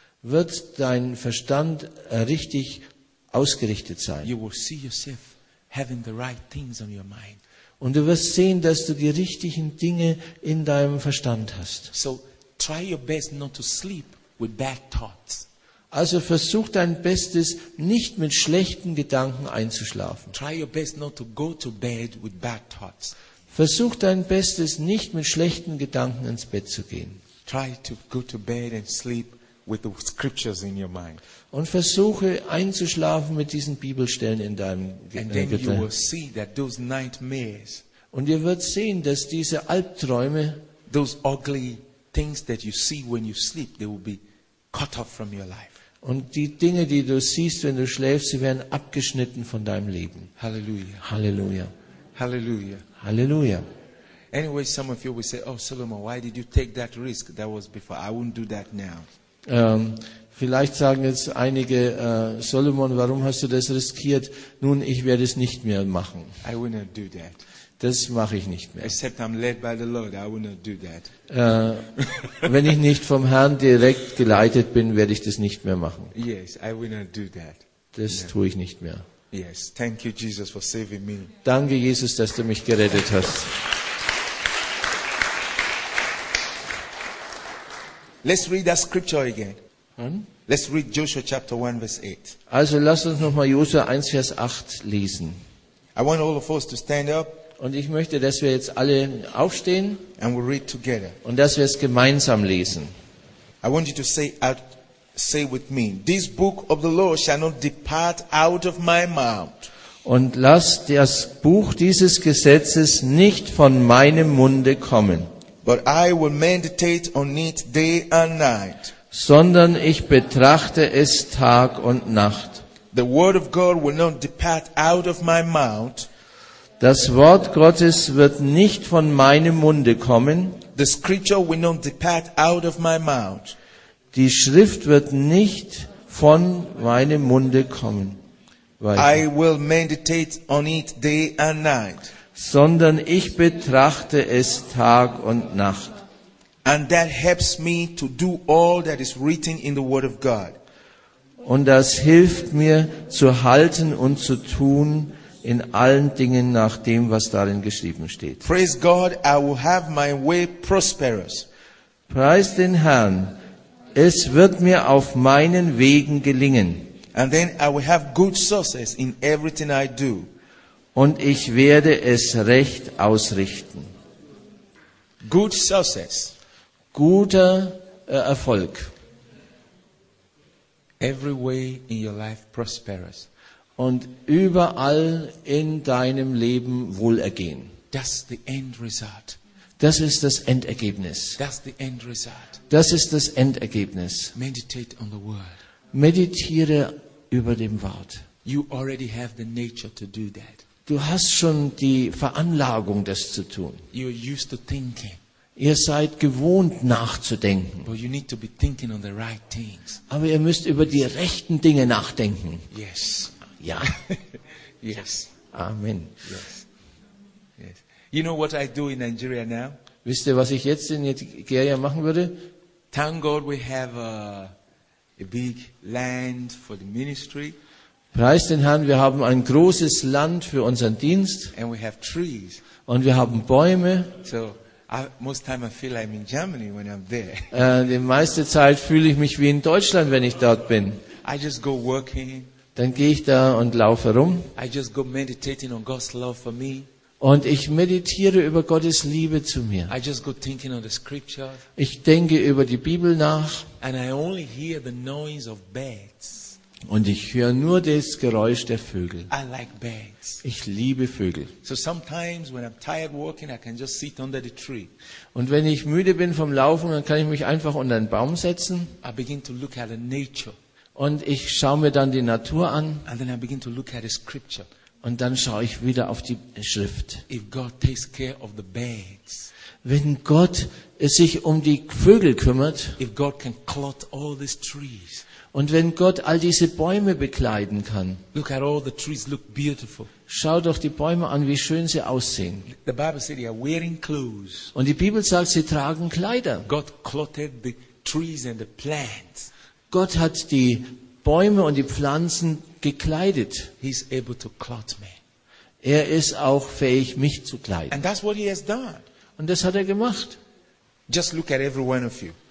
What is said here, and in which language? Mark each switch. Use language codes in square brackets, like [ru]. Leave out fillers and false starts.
[de] Wird dein Verstand richtig ausgerichtet sein. [en] You will see yourself having the right things on your mind. [de] Und du wirst sehen, dass du die richtigen Dinge in deinem Verstand hast. [en] So, try your best not to sleep with bad thoughts. [de] Also versuch dein Bestes, nicht mit schlechten Gedanken einzuschlafen. [en] Try your best not to go to bed with bad thoughts. [de] Versuch dein Bestes, nicht mit schlechten Gedanken ins Bett zu gehen. [en] Try to go to bed and sleep with the scriptures in your mind. [de] Und versuche einzuschlafen mit diesen Bibelstellen in deinem Gedächtnis. Und ihr werdet sehen, dass diese Albträume, [en] those ugly things that you see when you sleep, they will be cut off from your life. [de] Und die Dinge, die du siehst, wenn du schläfst, sie werden abgeschnitten von deinem Leben. Halleluja. Halleluja. Halleluja. Halleluja. [en] Anyway, some of you will say, oh Solomon, why did you take that risk? That was before. I wouldn't do that now. [de] Vielleicht sagen jetzt einige, Solomon, warum hast du das riskiert? Nun, ich werde es nicht mehr machen. [en] I will not do that. [de] Das mache ich nicht mehr. [en] Except I'm led by the Lord, I will not do that. [de] Wenn ich nicht vom Herrn direkt geleitet bin, werde ich das nicht mehr machen. [en] Yes, I will not do that. [de] Das no. Tue ich nicht mehr. [en] Yes, thank you, Jesus, for saving me. [de] Danke, Jesus, dass du mich gerettet hast. [en] Let's read that scripture again. Let's read Joshua chapter 1 verse 8. [de] Also lasst uns nochmal Joshua 1 Vers 8 lesen. [en] I want all of us to stand up. [de] Und ich möchte, dass wir jetzt alle aufstehen. [en] And we'll read together. [de] Und dass wir es gemeinsam lesen. [en] I want you to say with me, this book of the law shall not depart out of my mouth. [de] Und lass das Buch dieses Gesetzes nicht von meinem Munde kommen. [en] But I will meditate on it day and night. [de] Sondern ich betrachte es Tag und Nacht. [en] The word of God will not depart out of my mouth. [de] Das Wort Gottes wird nicht von meinem Munde kommen. [en] The scripture will not depart out of my mouth. [de] Die Schrift wird nicht von meinem Munde kommen. Weiter. [en] I will meditate on it day and night. [de] Sondern ich betrachte es Tag und Nacht. [en] And that helps me to do all that is written in the Word of God. [de] Und das hilft mir zu halten und zu tun in allen Dingen nach dem, was darin geschrieben steht. [en] Praise God, I will have my way prosperous. [de] Preist den Herrn, es wird mir auf meinen Wegen gelingen. [en] And then I will have good success in everything I do. [de] Und ich werde es recht ausrichten. [en] Good success. [de] Guter Erfolg. [en] Every way in your life prosperous. [de] Und überall in deinem Leben Wohlergehen. [en] That's the end result. [de] Das ist das Endergebnis. [en] That's the end result. [de] Das ist das Endergebnis. [en] Meditate on the word. [de] Meditiere über dem Wort. [en] You already have the nature to do that. [de] Du hast schon die Veranlagung, das zu tun. [en] You're used to thinking. [de] Ihr seid gewohnt, nachzudenken. [en] But you need to be thinking on the right things. [de] Aber ihr müsst über die rechten Dinge nachdenken. [en] Yes. [de] Ja. [en] Yes. Amen. Yes. Yes. You know what I do in Nigeria now? [de] Wisst ihr, was ich jetzt in Nigeria machen würde? [en] Thank God we have a big land for the ministry. [de] Preist den Herrn, wir haben ein großes Land für unseren Dienst. [en] And we have trees. [de] Und wir haben Bäume. [en] So, most time I feel I'm in Germany when I'm there. [de] Die meiste Zeit fühle ich mich wie in Deutschland, wenn ich dort bin. [en] I just go working. [de] Dann gehe ich da und laufe rum. [en] I just go meditating on God's love for me. [de] Und ich meditiere über Gottes Liebe zu mir. [en] I just go thinking on the scriptures. [de] Ich denke über die Bibel nach. [en] And I only hear the noise of birds. [de] Und ich höre nur das Geräusch der Vögel. [en] I like birds. [de] Ich liebe Vögel. [en] So sometimes when I'm tired walking, I can just sit under the tree. [de] Und wenn ich müde bin vom Laufen, dann kann ich mich einfach unter einen Baum setzen. [en] I begin to look at the nature. [de] Und ich schaue mir dann die Natur an. [en] And then I begin to look at the scripture. [de] Und dann schaue ich wieder auf die Schrift. [en] If God takes care of the birds. [de] Wenn Gott es sich um die Vögel kümmert. [en] If God can clot all these trees. [de] Und wenn Gott all diese Bäume bekleiden kann. [en] Look at all the trees, look beautiful. [de] Schau doch die Bäume an, wie schön sie aussehen. [en] The Bible said they are wearing clothes. [de] Und die Bibel sagt, sie tragen Kleider. [en] God clotted the trees and the plants. [de] Gott hat die Bäume und die Pflanzen gekleidet. [en] He's able to clot me. [de] Er ist auch fähig, mich zu kleiden. [en] And that's what he has done. [de] Und das hat er gemacht. [en] Just look at every one of you.